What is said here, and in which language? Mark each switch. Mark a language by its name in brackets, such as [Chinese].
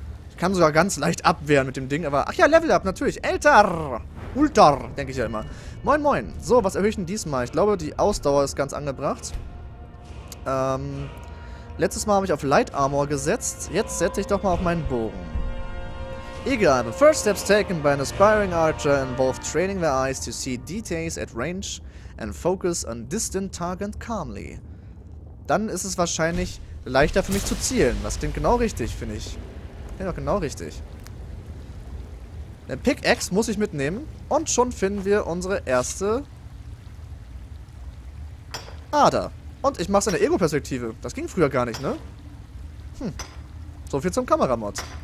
[German] Ich kann sogar ganz leicht abwehren mit dem Ding, aber... Ach ja, Level Up, natürlich. Älter! Ultar, denke ich ja immer. Moin, moin. So, was erhöhe ich denn diesmal? Ich glaube, die Ausdauer ist ganz angebracht. Letztes Mal habe ich auf Light Armor gesetzt. Jetzt setze ich doch mal auf meinen Bogen. [English] Egal, the first steps taken by an aspiring archer involve training their eyes to see details at range and focus on distant target calmly. [German] Dann ist es wahrscheinlich leichter für mich zu zielen. Das klingt genau richtig, finde ich. Klingt auch genau richtig. Eine Pickaxe muss ich mitnehmen. Und schon finden wir unsere erste Ader. Und ich mach's in der Ego-Perspektive. Das ging früher gar nicht, ne? So viel zum Kameramod.